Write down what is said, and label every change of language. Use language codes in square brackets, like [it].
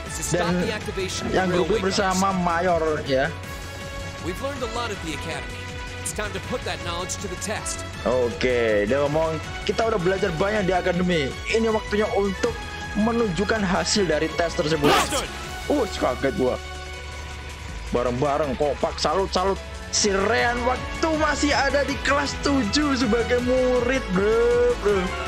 [id] Dan yang grup B bersama Mayor, ya. [en] We've learned a lot at the academy. It's time to put that knowledge to the test. [id] Oke, okay. Dia ngomong, kita udah belajar banyak di akademi. Ini waktunya untuk menunjukkan hasil dari tes tersebut. Wush, kaget gua. Bareng-bareng, kompak, salut-salut. Si Rian waktu masih ada di kelas 7 sebagai murid, bro.